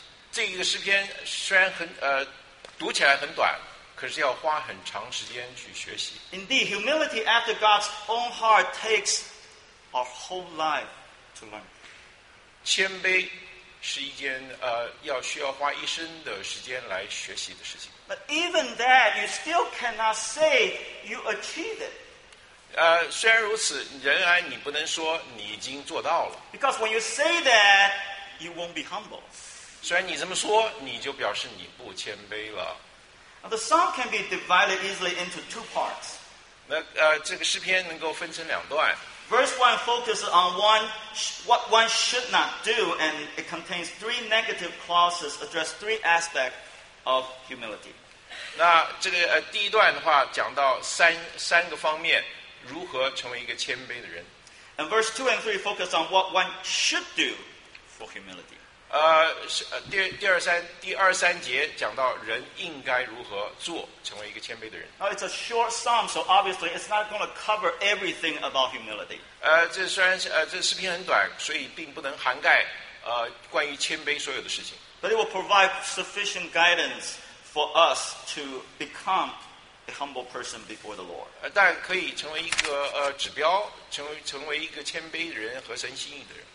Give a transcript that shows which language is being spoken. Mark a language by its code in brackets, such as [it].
[zh] 这一个诗篇虽然很读起来很短，可是要花很长时间去学习。 [en] Indeed, humility after God's own heart takes our whole life. [zh] 谦卑是一件需要花一生的时间来学习的事情。 [en] But even that, you still cannot say you achieve it. [zh] 虽然如此，仍然你不能说你已经做到了。 [en] Because when you say that, you won't be humble. [zh] 虽然你这么说，你就表示你不谦卑了。 [en] The psalm can be divided easily into two parts. [zh] 那这个诗篇能够分成两段。 [en] Verse 1 focuses on what one should not do, and it contains three negative clauses address three aspects of humility. [zh] 那这个第一段的话讲到三个方面，如何成为一个谦卑的人。 [en] And verse 2 and 3 focus on what one should do for humility. [zh] 第二三节讲到人应该如何做成为一个谦卑的人。 [en] Now, it's a short psalm, so obviously it's not going to cover everything about humility. [zh] 这诗篇很短，所以并不能涵盖关于谦卑所有的事情。 [en] But it will provide sufficient guidance for us to become a humble person before the Lord. [zh] 但可以成为一个指标，成为一个谦卑的人和神心意的人。